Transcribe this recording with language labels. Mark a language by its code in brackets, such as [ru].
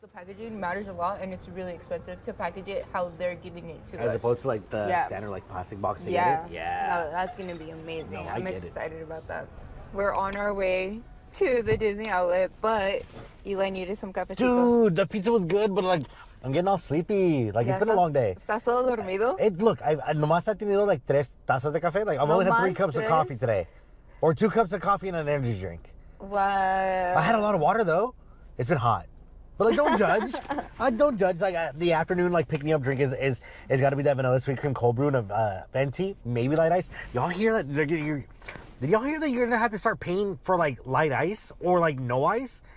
[en] The packaging matters a lot, and it's really expensive to package it how they're giving it to us. As opposed to, like, the standard, like, plastic box to get it? Yeah. No, that's going to be amazing. No, I'm excited about that. We're on our way to the Disney outlet, but Eli needed some cafecito. Dude, the pizza was good, but, like, I'm getting all sleepy. Like, yeah, it's been a long day. [es] ¿Estás todo dormido? I nomás he tenido, like, tres tazas de café. [en] Like, I've only had three cups of coffee today. Or two cups of coffee and an energy drink. Wow. I had a lot of water, though. It's been hot. But, like, don't judge. Don't judge. Like, the afternoon, like, pick-me-up drink is got to be that vanilla sweet cream cold brew and a venti. Maybe light ice. Y'all hear that? Did y'all hear that you're going to have to start paying for, like, light ice or, like, no ice?